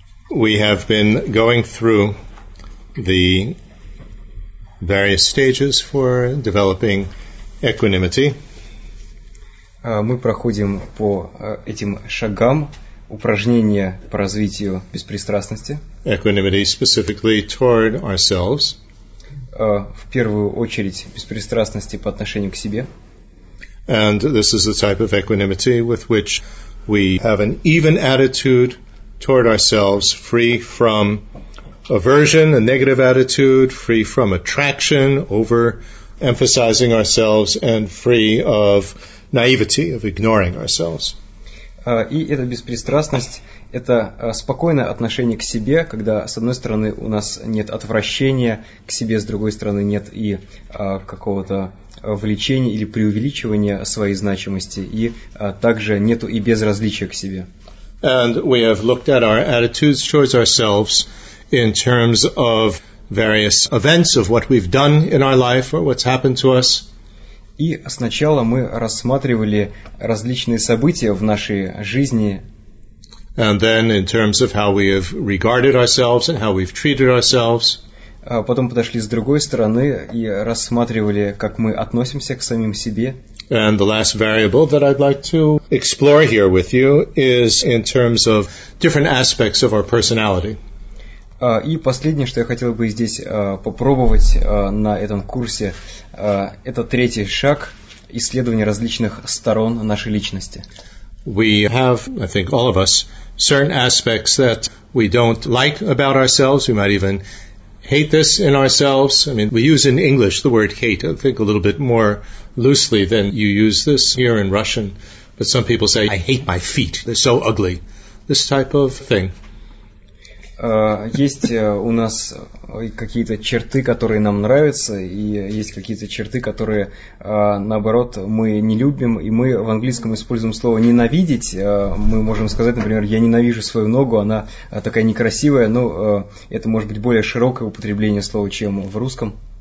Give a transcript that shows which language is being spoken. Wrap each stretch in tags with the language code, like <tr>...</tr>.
<en>We have been going through the various stages for developing equanimity.</en> <ru>Мы проходим по этим шагам упражнения по развитию беспристрастности.</ru> <en>Equanimity specifically toward ourselves.</en> <ru>В первую очередь беспристрастности по отношению к себе.</ru> <en>And this is the type of equanimity with which we have an even attitude toward ourselves, free from aversion, a negative attitude, free from attraction, over-emphasizing ourselves, and free of naivety, of ignoring ourselves.</en> <ru>И эта беспристрастность – это спокойное отношение к себе, когда, с одной стороны, у нас нет отвращения к себе, с другой стороны, нет и какого-то влечения или преувеличивания своей значимости, и также нету и безразличия к себе.</ru> <en>And we have looked at our attitudes towards ourselves in terms of various events of what we've done in our life or what's happened to us.</en> <ru>И сначала мы рассматривали различные события в нашей жизни.</ru> <en>And then in terms of how we have regarded ourselves and how we've treated ourselves.</en> <ru>Потом подошли с другой стороны и рассматривали, как мы относимся к самим себе.</ru> <en>And the last variable that I'd like to explore here with you is in terms of different aspects of our personality.</en> <ru>И последнее, что я хотел бы здесь попробовать на этом курсе, это третий шаг исследования различных сторон нашей личности.</ru> <en>We have, I think all of us, certain aspects that we don't like about ourselves. We might even hate this in ourselves. I mean, we use in English the word hate, I think, a little bit more loosely than you use this here in Russian. But some people say, I hate my feet, they're so ugly. This type of thing.</en> <ru>Есть у нас какие-то черты, которые нам нравятся, и есть какие-то черты, которые, наоборот, мы не любим, и мы в английском используем слово «ненавидеть». Мы можем сказать, например, «я ненавижу свою ногу, она такая некрасивая», но это может быть более широкое употребление слова, чем в русском.</ru>